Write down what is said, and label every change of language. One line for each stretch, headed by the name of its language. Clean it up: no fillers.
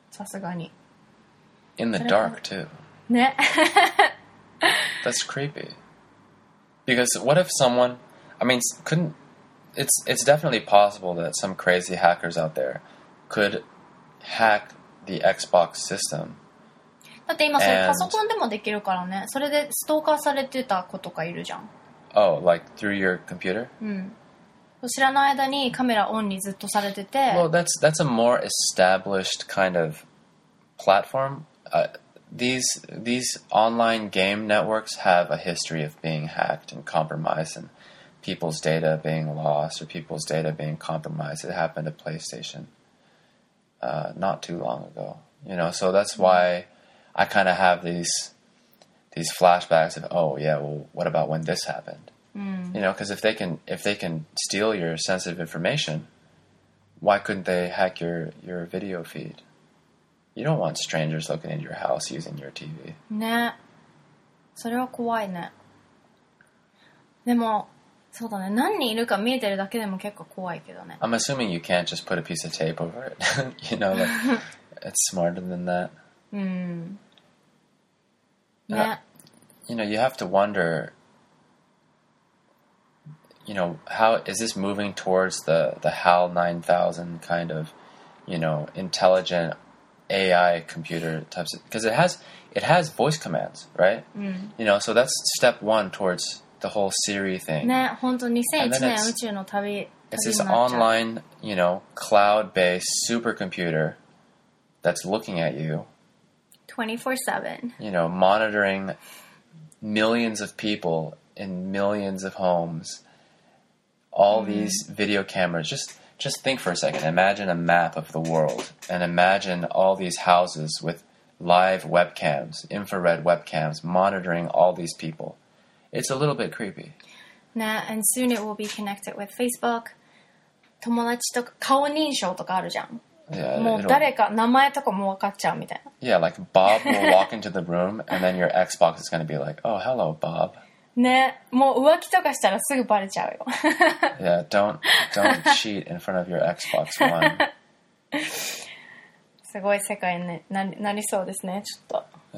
Japanese: アセットなのにあげられないって。例えばそのハードでDVD買ってたらもう簡単にできることがデータになってると急にできなくなってるっていう。まあそう、新しいからね。まあいろいろこれからそうやってルールとか変わっていくんだろうけど。そのカメラで人数見てるっていうのはすごいね。さすがに。
English: In the dark too.
Japanese: ね?
English: That's creepy. Because what if someone, I mean, couldn't, It's definitely possible that some crazy hackers out there could hack the Xbox system.
Japanese: だって今それパソコンでもできるからね。それでストーカーされてた子とかいるじゃん。
English: Oh, like through your computer?
Japanese: うん。知らない間にカメラオンにずっとされてて。
English: Well, that's a more established kind of platform. These online game networks have a history of being hacked and compromised and people's data being lost or people's data being compromised. It happened to PlayStation not too long ago. You know, so that's why I kind of have these flashbacks of, oh yeah, well, what about when this happened? Mm. You know, because if they can steal your sensitive information, why couldn't they hack your video feed? You don't want strangers looking into your house using your TV.
Japanese: ね、それは怖いね。でも そうだね。何人いるか見えてるだけでも結構怖いけどね。
English: I'm assuming you can't just put a piece of tape over it. You know, like, it's smarter than that. You know, you have to wonder, you know, how is this moving towards the HAL 9000 kind of, you know, intelligent AI computer types of, because it has voice commands, right? You know, so that's step one towards the whole Siri thing.
Japanese: ね、本当2001年宇宙の旅。
English: It's this online, you know, cloud-based supercomputer that's looking at you 24/7. You know, monitoring millions of people in millions of homes. All these video cameras. Just think for a second. Imagine a map of the world and imagine all these houses with live webcams, infrared webcams monitoring all these people. It's a little bit creepy. Nah, and soon it will be connected with Facebook.
Japanese: 友達とか顔認証とかあるじゃん。
English: Yeah,
Japanese: もう誰か名前とかも分かっちゃうみたいな。
English: Yeah, like Bob will walk into the room and then your Xbox is going to be like, oh, hello, Bob.
Japanese: ね、もう浮気とかしたらすぐバレちゃうよ。
English: Yeah, don't cheat in front of your Xbox One.
Japanese: すごい世界になりそうですね、ちょっと。